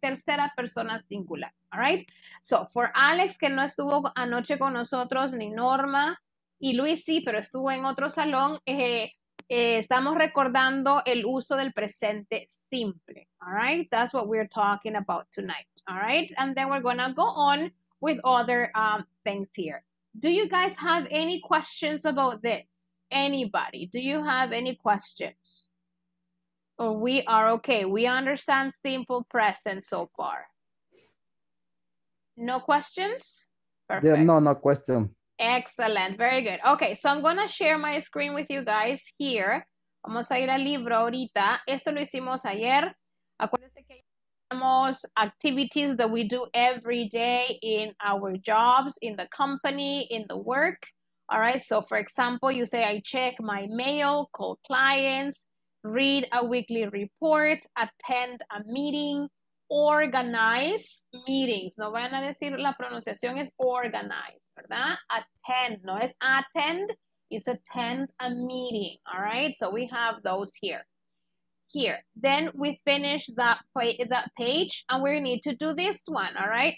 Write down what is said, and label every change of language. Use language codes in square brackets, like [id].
[es] Tercera persona singular. [en] All right? So, for Alex, [es] que no estuvo anoche con nosotros, ni Norma, y Luis sí, pero estuvo en otro salón. Estamos recordando el uso del presente simple. [en] All right? That's what we're talking about tonight. All right? And then we're going to go on with other things here. Do you guys have any questions about this? Anybody, do you have any questions? Or we are okay. We understand simple present so far. No questions? Perfect. Yeah, no question. Excellent. Very good. Okay, so I'm going to share my screen with you guys here. [es] Vamos a ir al libro ahorita. Esto lo hicimos ayer. Acuérdense que tenemos [en] activities that we do every day in our jobs, in the company, in the work. All right, so for example, you say, I check my mail, call clients, read a weekly report, attend a meeting, organize meetings. [es] No van a decir la pronunciación es organize, ¿verdad? [en] Attend, [es] no es [en] attend, it's attend a meeting, all right? So we have those here. Here, then we finish that page and we need to do this one, all right?